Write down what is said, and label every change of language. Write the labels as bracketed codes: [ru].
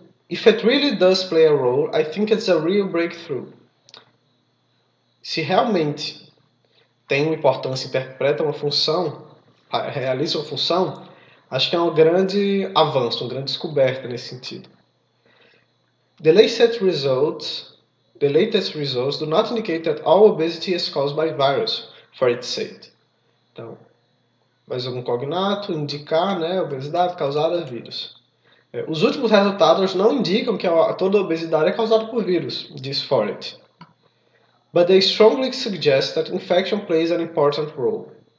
[en] If it really does play a role, I think it's a real breakthrough. [pt] Se realmente tem uma importância, interpreta uma função, realiza uma função, acho que é um grande avanço, uma grande descoberta nesse sentido. [en] The latest results do not indicate that all obesity is caused by virus, for it said. [pt] Então, mais algum cognato, indicar, né, obesidade causada por vírus. Os últimos resultados não indicam que toda a obesidade é causada por vírus, diz Foret. [en] But they strongly suggest that infection plays an important role.